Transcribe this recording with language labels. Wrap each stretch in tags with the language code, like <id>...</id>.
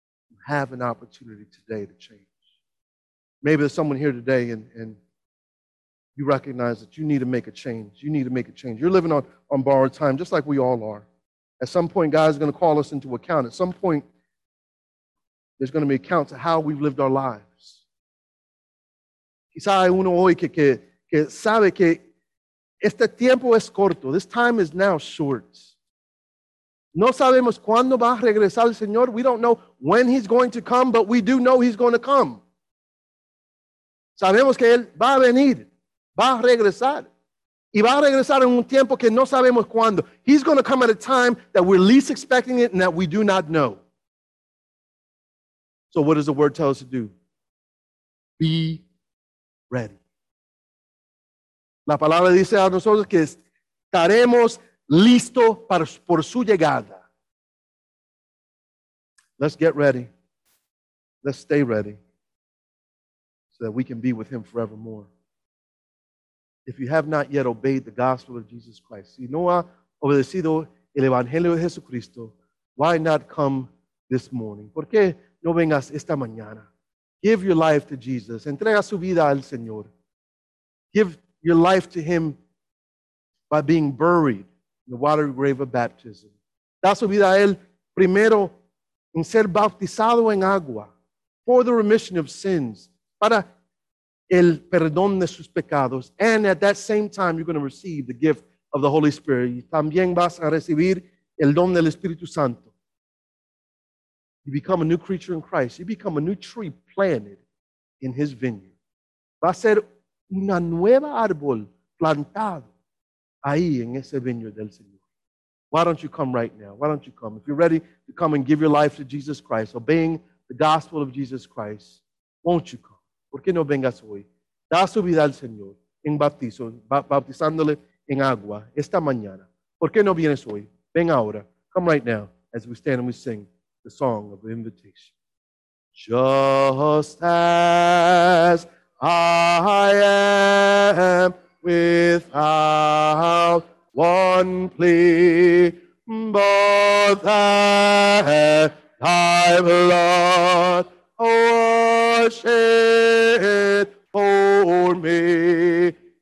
<en>You have an opportunity today to change. Maybe there's someone here today and you recognize that you need to make a change. You need to make a change. You're living on borrowed time, just like we all are. At some point, God's going to call us into account. At some point, there's going to be accounts of how we've lived our lives.</en> <es>Quizá hay uno hoy que sabe que este tiempo es corto.</es> <en>This time is now short.</en> <es>No sabemos cuándo va a regresar el Señor.</es> <en>We don't know when he's going to come, but we do know he's going to come.</en> <es>Sabemos que él va a venir. Va a regresar. Y va a regresar en un tiempo que no sabemos cuándo.</es> <en>He's going to come at a time that we're least expecting it and that we do not know. So what does the word tell us to do? Be ready.</en> <es>La palabra dice a nosotros que estaremos listos para, por su llegada.</es> <en>Let's get ready. Let's stay ready so that we can be with him forevermore. If you have not yet obeyed the gospel of Jesus Christ,</en> <es>si no ha obedecido el evangelio de Jesucristo,</es> <en>why not come this morning?</en> <es>¿Por qué no vengas esta mañana?</es> <en>Give your life to Jesus.</en> <es>Entrega su vida al Señor.</es> <en>Give your life to him by being buried in the watery grave of baptism.</en> <es>Da su vida a él primero en ser bautizado en agua</es> <en>for the remission of sins,</en> <es>para el perdón de sus pecados.</es> <en>And at that same time, you're going to receive the gift of the Holy Spirit.</en> <es>Y también vas a recibir el don del Espíritu Santo.</es> <en>You become a new creature in Christ. You become a new tree planted in his vineyard.</en> <es>Va a ser una nueva árbol plantado ahí en ese vineyard del Señor.</es> <en>Why don't you come right now? Why don't you come? If you're ready to come and give your life to Jesus Christ, obeying the gospel of Jesus Christ, won't you come?</en> <es>¿Por qué no vengas hoy? Da su vida al Señor en bautizo, bautizándole en agua esta mañana. ¿Por qué no vienes hoy? Ven ahora.</es> <en>Come right now as we stand and we sing the song of invitation. Just as I am without one plea, but that thy blood wash it for me,</en>